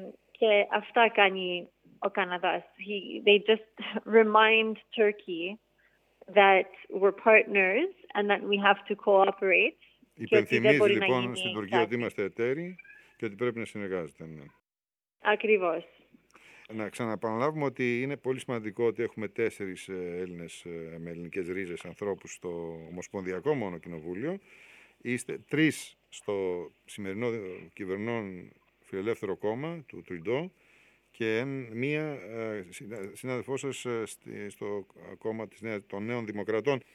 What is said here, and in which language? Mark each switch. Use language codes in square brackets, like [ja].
[el] Και αυτά κάνει ο Καναδάς. [en] They just remind Turkey that we're partners and that we have to cooperate. [el] Υπενθυμίζει λοιπόν στην Τουρκία ότι είμαστε εταίροι και ότι πρέπει να συνεργάζεται. Ναι. Ακριβώς. Να ξαναπαναλάβουμε ότι είναι πολύ σημαντικό ότι έχουμε τέσσερις Έλληνες με ελληνικές ρίζες ανθρώπους στο Ομοσπονδιακό μόνο Κοινοβούλιο. Είστε τρεις στο σημερινό κυβερνών φιλελεύθερο κόμμα του Τριντό και μία συνάδελφό σας στο κόμμα της Νέας, των Νέων Δημοκρατών.